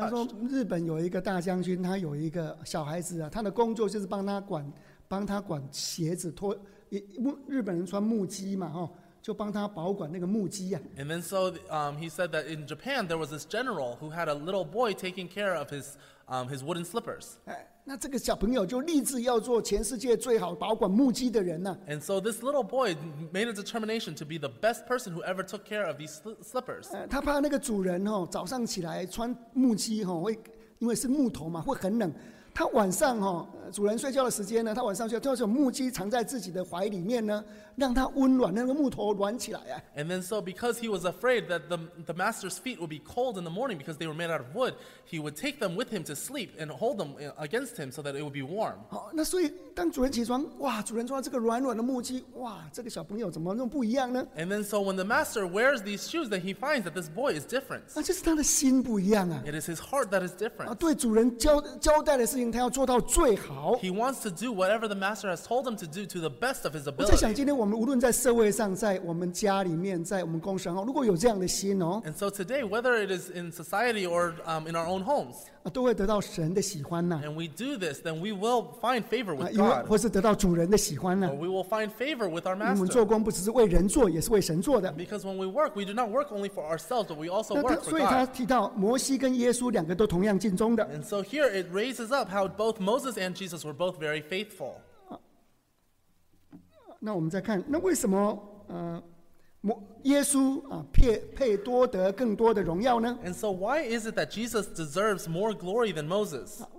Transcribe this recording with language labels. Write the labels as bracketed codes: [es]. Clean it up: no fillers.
[zh] 他说日本有一个大将军，他有一个小孩子啊，他的工作就是帮他管鞋子脱，日本人穿木屐嘛，哈。就帮他保管那个木屐啊。 [en] And then so he said that in Japan there was this general who had a little boy taking care of his wooden slippers. [zh] 那这个小朋友就立志要做全世界最好保管木屐的人啊。 [en] And so this little boy made a determination to be the best person who ever took care of these slippers. [zh] 他怕那个主人哦，早上起来穿木屐哦，会因为是木头嘛，会很冷。他晚上哦，主人睡觉的时间呢，他晚上睡觉，就是木屐藏在自己的怀里面呢，让他温暖，那个木头暖起来啊。 [en] And then so because he was afraid that the master's feet would be cold in the morning because they were made out of wood, he would take them with him to sleep and hold them against him so that it would be warm. [zh] 那所以当主人起床，哇，主人穿这个软软的木屐，哇，这个小朋友怎么那么不一样呢 [en] ？And then so when the master wears these shoes, then he finds that this boy is different. [zh] 就是他的心不一样啊。 [en] It is his heart that is different. [zh] 对主人交代的事情。定他要做到最好。 [en] He wants to do whatever the master has told him to do to the best of his ability. [zh] 我在想，今天我们无论在社会上，在我们家里面，在我们公司，如果有这样的心哦 [en] ，And so today, whether it is in society or in our own homes, [zh] 都会得到神的喜欢呐。 [en] And we do this, then we will find favor with God. [zh] 或是得到主人的喜欢呐。 [en] Or we will find favor with our master. [zh] 我们做工不只是为人做，也是为神做的。 [en] Because when we work, we do not work only for ourselves, but we also work for God. [zh] 所以他提到摩西跟耶稣两个都同样敬重的。 [en] And so here it raises up how both Moses and Jesus were both very faithful. [zh] 那我们再看，那为什么耶稣配多得更多的荣耀呢 [en] ？And so why is it that Jesus deserves more glory than Moses？